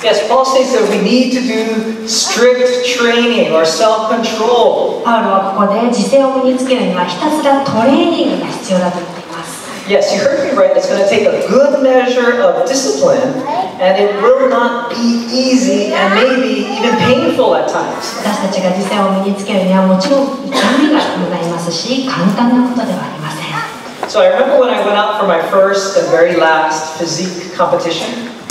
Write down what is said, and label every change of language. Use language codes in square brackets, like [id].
[en] Yes, Paul says that we need to do strict training or self-control. [ja] パウロはここで自制を身につけるにはひたすらトレーニングが必要だと言っています。 [en] Yes, you heard me right. It's going to take a good measure of discipline, and it will not be easy, and maybe even painful at times. [ja] 私たちが実践を身につけるにはもちろん痛みが伴いますし、簡単なことではありません。 [en] So I remember when I went out for my first and very last physique competition.